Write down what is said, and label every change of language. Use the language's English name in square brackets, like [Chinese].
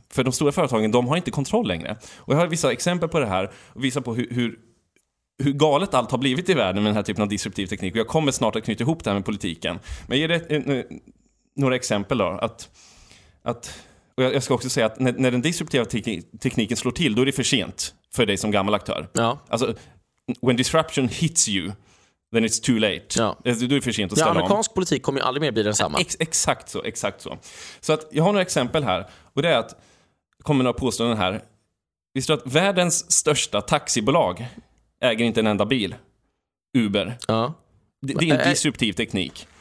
[Swedish] För de stora företagen, de har inte kontroll längre. Och jag har vissa exempel på det här och visar på hur galet allt har blivit i världen med den här typen av disruptiv teknik. Och jag kommer snart att knyta ihop det här med politiken. Men ger det några exempel då, och jag ska också säga att när den disruptiva tekniken slår till, då är det för sent för dig som gammal aktör. Ja. [English] Alltså, when disruption hits you, then it's too late. [Swedish] Ja. Då är det för sent att ställa om. Amerikansk politik kommer ju aldrig mer bli densamma. Exakt så. Så att jag har några exempel här, och det är att, kommer några påståenden här. Visst att världens största taxibolag äger inte en enda bil? Uber. Ja. Det är en disruptiv teknik.